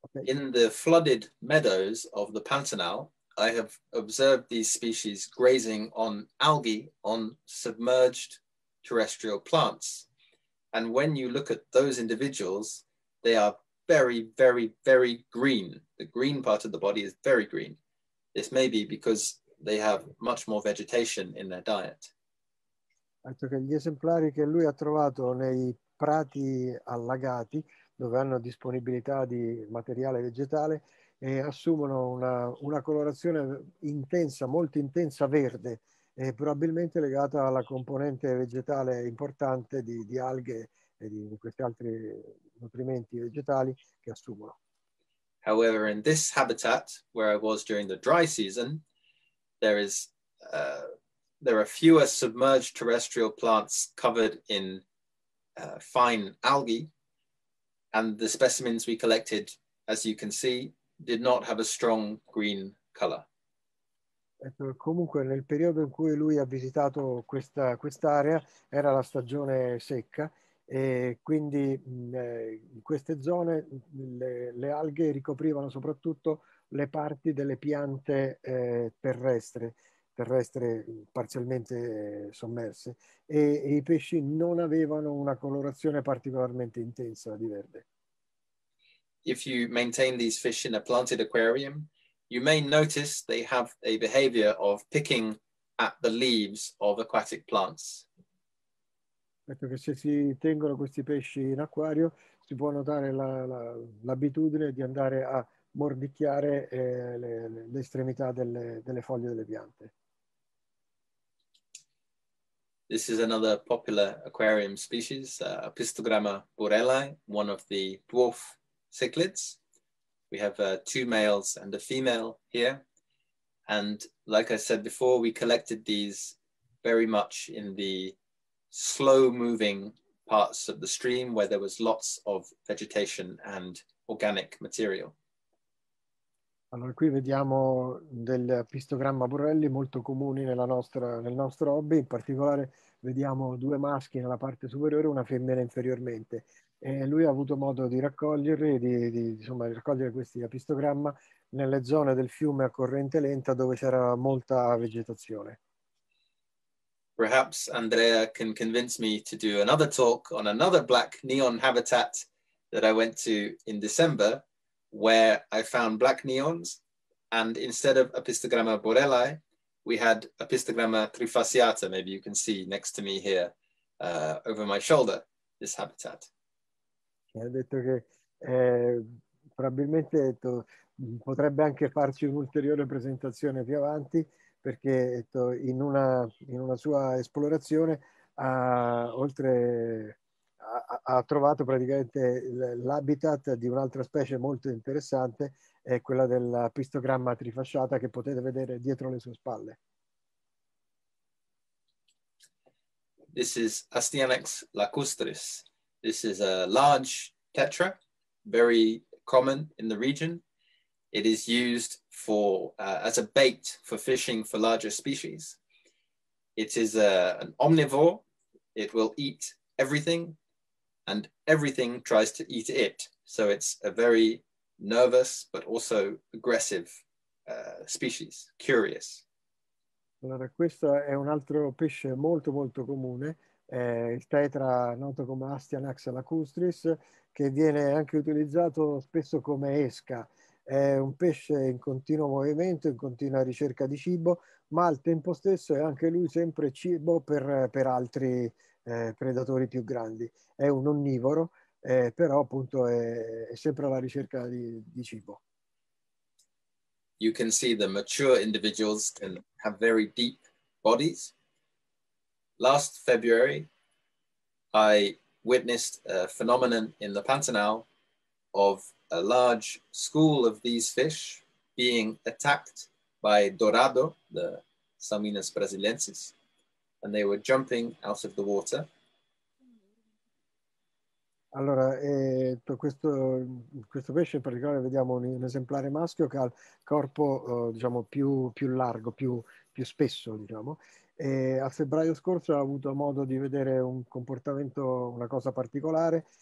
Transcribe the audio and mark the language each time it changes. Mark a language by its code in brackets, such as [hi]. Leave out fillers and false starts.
[en] In the flooded meadows of the Pantanal, I have observed these species grazing on algae on submerged terrestrial plants. And when you look at those individuals, they are very, very, very green. The green part of the body is very green. This may be because they have much more vegetation in their diet. [it] Che gli esemplari che lui ha trovato nei prati allagati, dove hanno disponibilità di materiale vegetale, assumono una colorazione intensa, molto intensa verde, probabilmente legata alla componente vegetale importante di alghe e di questi altri nutrimenti vegetali che assumono. [en] However, in this habitat, where I was during the dry season, there are fewer submerged terrestrial plants covered in fine algae. And the specimens we collected, as you can see, did not have a strong green color. [it] Comunque, nel periodo in cui lui ha visitato quest'area era la stagione secca e quindi in queste zone le alghe ricoprivano soprattutto le parti delle piante terrestre parzialmente sommerse e i pesci non avevano una colorazione particolarmente intensa di verde. [en] If you maintain these fish in a planted aquarium, you may notice they have a behavior of picking at the leaves of aquatic plants. [it] Ecco che se si tengono questi pesci in acquario si può notare l'abitudine di andare a mordicchiare le estremità delle foglie delle piante. [en] This is another popular aquarium species, Pistogramma borellae, one of the dwarf cichlids. We have two males and a female here. And like I said before, we collected these very much in the slow-moving parts of the stream where there was lots of vegetation and organic material. [it] Allora, qui vediamo del pistogramma borelli molto comuni nel nostro hobby. In particolare vediamo due maschi nella parte superiore e una femmina inferiormente. E lui ha avuto modo di raccogliere, insomma, di raccogliere questi pistogramma nelle zone del fiume a corrente lenta dove c'era molta vegetazione. [en] Perhaps Andrea can convince me to do another talk on another black neon habitat that I went to in December, where I found black neons, and instead of Epistogramma borellae, we had Epistogramma trifasciata. Maybe you can see next to me here, over my shoulder, this habitat. [it] Ha detto che probabilmente potrebbe anche farci un'ulteriore presentazione più avanti, perché in una sua esplorazione ha trovato praticamente l'habitat di un'altra specie molto interessante, è quella del pistogramma trifasciata che potete vedere dietro le sue spalle. [en] This is Astyanax lacustris. This is a large tetra, very common in the region. It is used as a bait for fishing for larger species. It is an omnivore. It will eat everything, and everything tries to eat it. So it's a very nervous but also aggressive species, curious. [it] Allora, questo è un altro pesce molto molto comune, il tetra noto come Astyanax lacustris, che viene anche utilizzato spesso come esca. È un pesce in continuo movimento, in continua ricerca di cibo, ma al tempo stesso è anche lui sempre cibo per altri predatori più grandi. È un onnivoro, però appunto è sempre alla ricerca di cibo. [en] You can see the mature individuals can have very deep bodies. Last February, I witnessed a phenomenon in the Pantanal of a large school of these fish being attacked by dorado, the Salminas brasiliensis, and they were jumping out of the water. [it] Allora, questo pesce in particolare vediamo un esemplare maschio che ha il corpo diciamo più largo, più spesso, diciamo. E a febbraio scorso ha avuto modo di vedere un comportamento, una cosa particolare.